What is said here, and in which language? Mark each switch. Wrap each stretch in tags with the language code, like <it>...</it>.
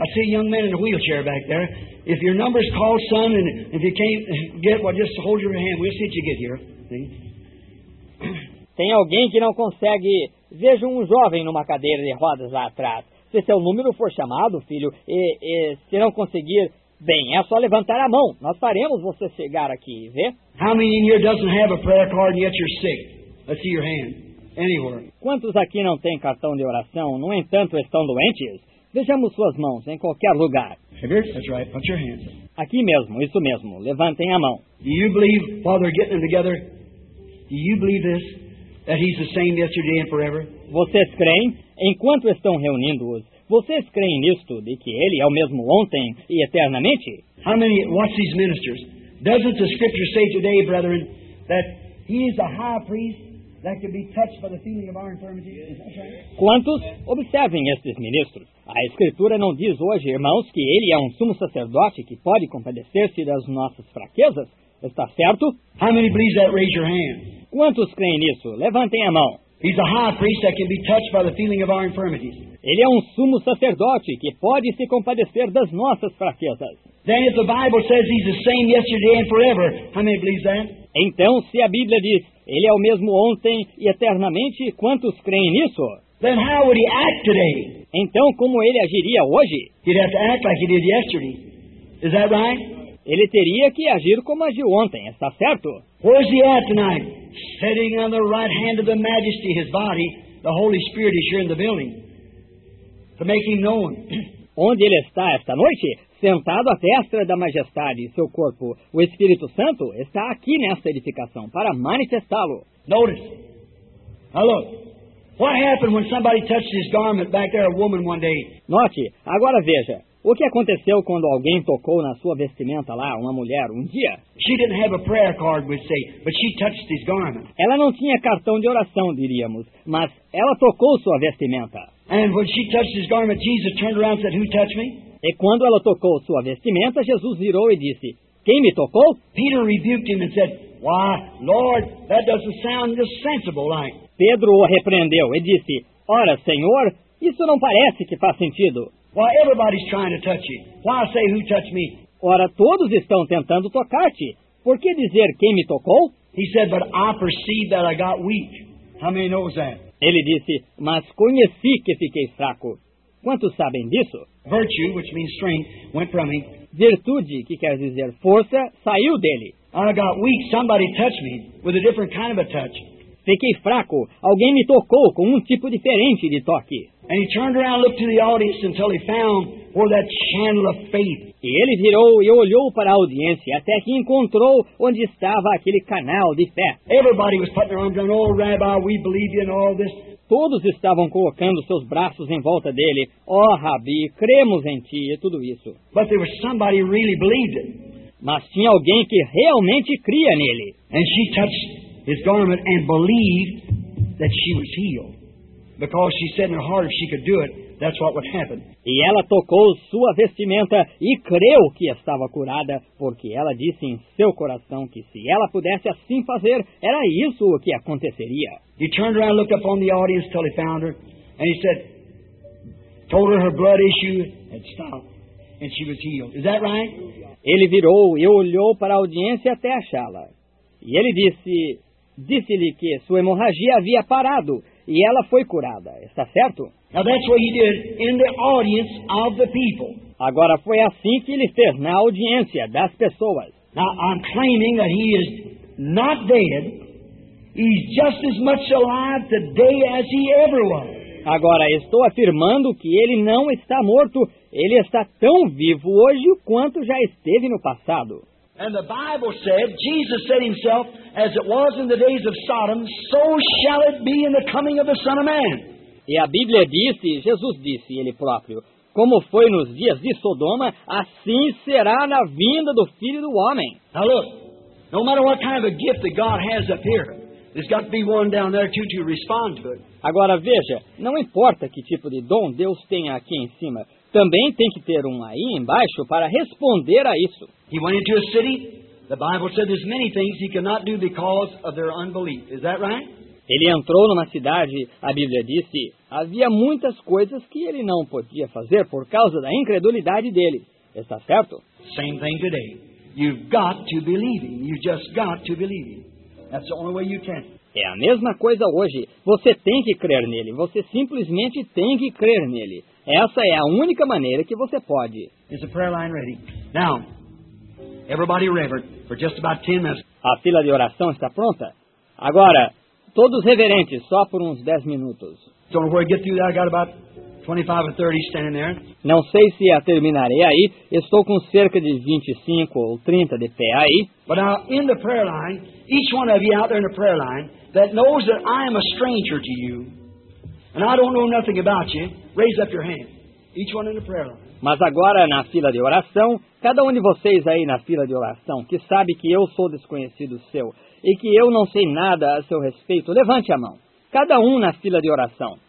<en>I see a young man in a wheelchair back there. If your number's called, son, and if you can't get, well, just hold your hand. We'll see if you get here.</en> <pt>Tem alguém que não consegue? Veja um jovem numa cadeira de rodas lá atrás. Se seu número for chamado, filho, e se não conseguir, bem, é só levantar a mão. Nós faremos você chegar aqui, vê?</pt> <en>How many in here doesn't have a prayer card yet you're sick? I see your hand. Anywhere.</en> <pt>Quantos aqui não têm cartão de oração, no entanto estão doentes? Vejamos suas mãos em qualquer lugar.</pt> <en>That's right. Put your hands.</en> <pt>Aqui mesmo, isso mesmo. Levantem a mão.</pt> <en>Do you believe, while they're getting them together, do you believe this, that he's the same yesterday and forever?</en> <pt>Vocês creem? Enquanto estão reunindo-os, vocês creem nisto, de que ele é o mesmo ontem e eternamente?</pt> <en>How many, watch these ministers. Doesn't the scripture say today, brethren, that he is a high priest that could be touched by the feeling of our infirmity?</en> <pt>Quantos? Observem estes ministros. A escritura não diz hoje, irmãos, que ele é um sumo sacerdote que pode compadecer-se das nossas fraquezas? Está certo?</pt> <en>How many believe that? Raise your hand.</en> <pt>Quantos creem nisso? Levantem a mão.</pt> <en>He's a high priest that can be touched by the feeling of our infirmities.</en> <pt>Ele é um sumo sacerdote que pode se compadecer das nossas fraquezas.</pt> <en>Then if the Bible says he's the same yesterday and forever, how many believe that?</en> <pt>Então, se a Bíblia diz ele é o mesmo ontem e eternamente, quantos creem nisso?</pt> <en>Then how would he act today?</en> <pt>Então, como ele agiria hoje?</pt> <en>He'd have to act like he did yesterday. Is that right?</en> <pt>Ele teria que agir como agiu ontem, está certo?</pt> <en>Where's he at tonight? Sitting on the right hand of the Majesty, his body, the Holy Spirit is here in the building to make him known.</en> <pt>Onde ele está esta noite? Sentado à destra da Majestade, seu corpo, o Espírito Santo está aqui nesta edificação para manifestá-lo.</pt> <en>Notice. Now look. What happened when somebody touched his garment back there, a woman one day?</en> <pt>Note. Agora veja. O que aconteceu quando alguém tocou na sua vestimenta lá, uma mulher, um dia?</pt> <en>She didn't have a prayer card, we'd say, but she touched his garment.</en> <pt>Ela não tinha cartão de oração, diríamos, mas ela tocou sua vestimenta.</pt> <en>And when she touched his garment, Jesus turned around and said, "Who touched me?"</en> <pt>E quando ela tocou sua vestimenta, Jesus virou e disse, "Quem me tocou?"</pt> <en>Peter rebuked him and said, "Why, Lord, that doesn't sound just sensible like."</en> <pt>Pedro o repreendeu e disse, "Ora, Senhor, isso não parece que faz sentido."</pt> <en>Why, everybody's trying to touch you. Why say who touched me?</en> <pt>Ora, todos estão tentando tocar-te. Por que dizer quem me tocou?</pt> <en>He said, but I perceived that I got weak. How many knows that?</en> <pt>Ele disse, mas conheci que fiquei fraco. Quantos sabem disso?</pt> <en>Virtue, which means strength, went from me.</en> <pt>Virtude, que quer dizer força, saiu dele.</pt> <en>I got weak. Somebody touched me with a different kind of a touch.</en> <pt>Fiquei fraco. Alguém me tocou com um tipo diferente de toque.</pt> <en>And he turned around, looked to the audience until he found where that channel of faith.</en> <pt>E ele virou e olhou para a audiência até que encontrou onde estava aquele canal de fé.</pt> <en>Everybody was putting their arms around, "Oh, Rabbi, we believe you in all this."</en> <pt>Todos estavam colocando seus braços em volta dele. "Oh, Rabi, cremos em ti" e tudo isso.</pt> <en>But there was somebody really believed it.</en> <pt>Mas tinha alguém que realmente cria nele.</pt> <en>And she touched his garment and believed that she was healed. Because she said in her heart, if she could do it, that's what would happen.</en> <pt>E ela tocou sua vestimenta e creu que estava curada, porque ela disse em seu coração que se ela pudesse assim fazer, era isso o que aconteceria.</pt> <en>He turned around, looked up on the audience till he found her, and he said, told her her blood issue had stopped, and she was healed. Is that right?</en> <pt>Ele virou e olhou para a audiência até achá-la. E ele disse-lhe que sua hemorragia havia parado, e ela foi curada, está certo?</pt> <en>Now that's what he did in the audience of the people.</en> <pt>Agora foi assim que ele fez na audiência das pessoas.</pt> <en>Now I'm claiming that he is not dead. He's just as much alive today as he ever was.</en> <pt>Agora estou afirmando que ele não está morto. Ele está tão vivo hoje quanto já esteve no passado.</pt> <en>And the Bible said, Jesus said himself, as it was in the days of Sodom, so shall it be in the coming of the Son of Man.</en> <pt>E a Bíblia disse, Jesus disse ele próprio, como foi nos dias de Sodoma, assim será na vinda do Filho do Homem.</pt> <en>Now look, no matter what kind of a gift that God has up here, there's got to be one down there too to respond to it.</en> <pt>Agora veja, não importa que tipo de dom Deus tenha aqui em cima, também tem que ter um aí embaixo para responder a isso.</pt> <en>He went into a city. The Bible said there's many things he cannot do because of their unbelief. Is that right?</en> <pt>Ele entrou numa cidade, a Bíblia disse, havia muitas coisas que ele não podia fazer por causa da incredulidade deles. Está certo?</pt> <en>Same thing today. You've got to believe him. You've just got to believe him. That's the only way you can.</en> <pt>É a mesma coisa hoje. Você tem que crer nele. Você simplesmente tem que crer nele. Essa é a única maneira que você pode.</pt> <en>Is the prayer line ready? Now, everybody reverent for just about 10 minutes.</en> <pt>A fila de oração está pronta? Agora, todos reverentes, só por uns 10 minutos.</pt> <en>So before I get through that, I got about 25 or 30 standing there.</en> <pt>Não sei se a terminarei aí. Estou com cerca de 25 ou 30 de pé aí.</pt> <en>But now, in the prayer line, each one of you out there in the prayer line that knows that I am a stranger to you and I don't know nothing about you, raise up your hand. Each one in the prayer line.</en> <pt>Mas agora, na fila de oração, cada um de vocês aí na fila de oração que sabe que eu sou desconhecido seu e que eu não sei nada a seu respeito, levante a mão. Cada um na fila de oração.</pt>